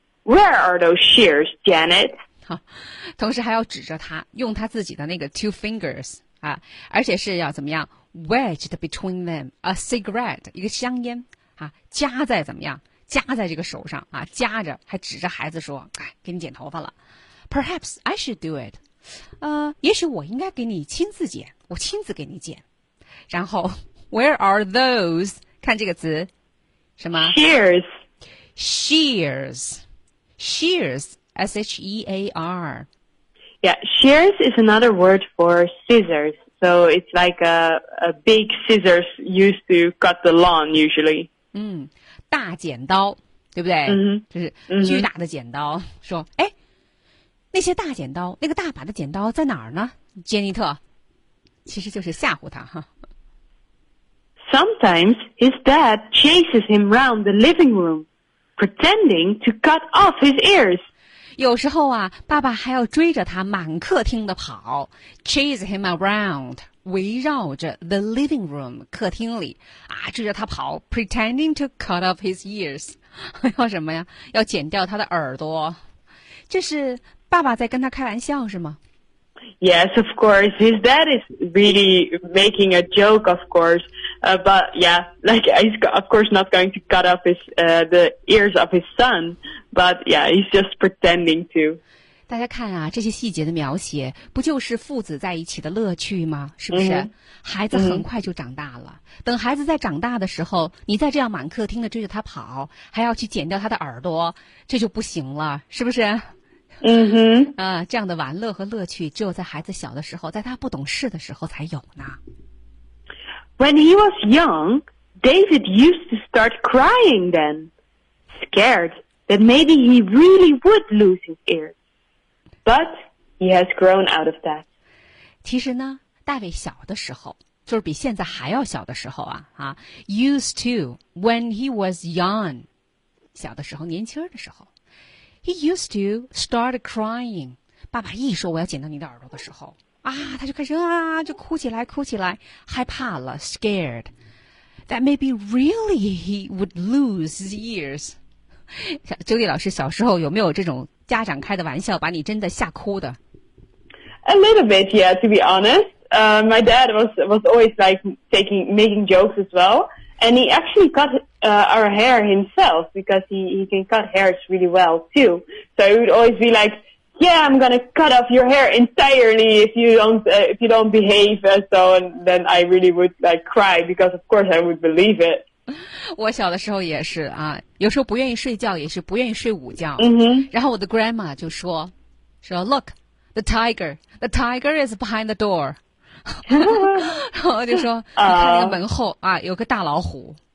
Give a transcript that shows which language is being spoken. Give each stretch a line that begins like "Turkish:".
English: Where are those shears, Janet?
Chinese: 同时还要指着他，用他自己的那个
English: two fingers
Chinese: 啊，而且是要怎么样
English: wedged between them a cigarette
Chinese: 一个香烟啊，夹在怎么样？夹在这个手上啊，夹着，还指着孩子说：“哎，给你剪头发了。”
English: Perhaps I should do it.
Chinese: 也许我应该给你亲自剪，我亲自给你剪，然后。
English: Where are those?
Chinese: 看这个词，什么
English: ？Shears. Shears. Shears. S-H-E-A-R. Yeah, shears is another word for scissors. So it's like a big scissors used to cut the lawn usually.
Chinese: 大剪刀，对不对？就是巨大的剪刀。说，哎，那些大剪刀，那个大把的剪刀在哪儿呢？杰尼特，其实就是吓唬他哈。
English: Sometimes his dad chases him round the living room, pretending to cut off his ears.
Chinese: 有时候啊，爸爸还要追着他满客厅的跑 ，
English: chase him around,
Chinese: 围绕着
English: the living room
Chinese: 客厅里啊，追着他跑 ，
English: pretending to cut off his ears.
Chinese: 要什么呀？要剪掉他的耳朵？这是爸爸在跟他开玩笑是吗？
English: Yes, of course. His dad is really making a joke, of course. But yeah, like he's of course not going to cut off his the ears of his son. But yeah, he's just pretending to.
Chinese: 大家看啊，这些细节的描写，不就是父子在一起的乐趣吗？是不是？ Mm-hmm. 孩子很快就长大了。Mm-hmm. 等孩子在长大的时候，你再这样满客厅的追着他跑，还要去剪掉他的耳朵，这就不行了，是不是？嗯哼，啊，这样的玩乐和乐趣只有在孩子小的时候，在他不懂事的时候才有呢。
English: When he was young, David used to start crying then, scared that maybe he really would lose his ears. But he has grown out of that.
Chinese: 其实呢，大卫小的时候，就是比现在还要小的时候啊
English: used to when he was young,
Chinese: 小的时候，年轻的时候。
English: He used to start crying.
Chinese: 爸爸一说我要剪到你的耳朵的时候，啊，他就开始啊，就哭起来，哭起来，害怕了 ，scared.
English: That maybe really he would lose his ears.
Chinese: 周丽老师小时候有没有这种家长开的玩笑把你真的吓哭的
English: ？A little bit, yeah. To be honest, my dad was always like making jokes as well, and he actually got. Our hair himself because he can cut hairs really well too. So he would always be like, "Yeah, I'm gonna cut off your hair entirely if you don't behave." So and then I really would like cry because of course I would believe it.
Chinese: 我小的时候也是啊，有时候不愿意睡觉，也是不愿意睡午觉。然后我的
English: grandma
Chinese: 就说
English: "Look, the tiger is behind the door."
Chinese: 然后就说看那个门后啊，有个大老虎。